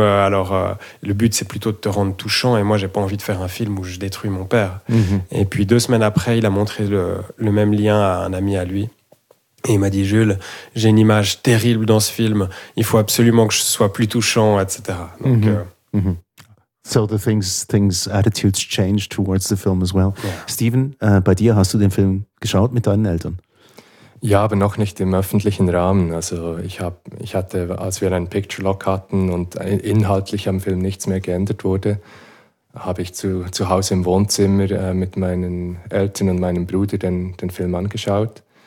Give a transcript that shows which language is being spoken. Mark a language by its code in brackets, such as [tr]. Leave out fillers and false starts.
[fr] Alors, le but, c'est plutôt de te rendre touchant. Et moi, j'ai pas envie de faire un film où je détruis mon père. Mmh. Et puis, 2 semaines après, il a montré le même lien à un ami à lui. Et il m'a dit, Jules, j'ai une image terrible dans ce film. Il faut absolument que je sois plus touchant, etc. Donc, [en] So the things attitudes change towards the film as well. Yeah. [de] Steven, bei dir hast du den Film geschaut mit deinen Eltern? Ja, aber noch nicht im öffentlichen Rahmen. Also ich hatte, als wir einen Picture Lock hatten und inhaltlich am Film nichts mehr geändert wurde, habe ich zu Hause im Wohnzimmer mit meinen Eltern und meinem Bruder den Film angeschaut.